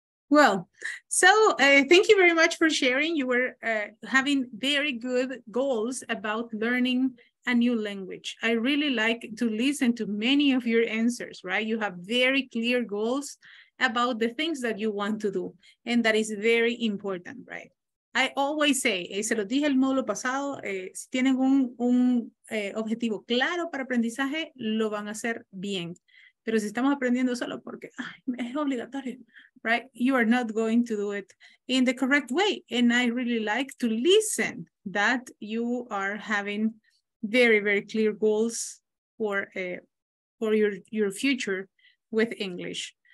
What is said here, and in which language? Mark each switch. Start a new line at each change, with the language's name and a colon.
English: Well, so thank you very much for sharing. You were having very good goals about learning a new language. I really like to listen to many of your answers, right? You have very clear goals about the things that you want to do. And that is very important, right? I always say,
Spanish: se los dije el módulo pasado, si tienen un objetivo claro para aprendizaje, lo van a hacer bien. Pero si estamos aprendiendo solo porque es obligatorio, right?
English: You are not going to do it in the correct way. And I really like to listen that you are having very, very clear goals for your future with English.